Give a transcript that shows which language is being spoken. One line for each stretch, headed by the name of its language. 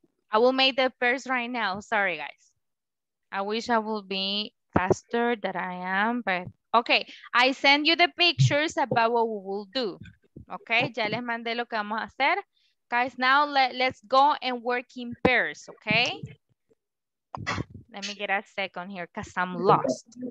English: I will make the pairs right now. Sorry, guys. I wish I would be faster than I am, but okay. I send you the pictures about what we will do.
Spanish: Okay, ya les mandé lo que vamos a hacer.
English: Guys, now let's go and work in pairs, okay? Let me get a second here because I'm lost.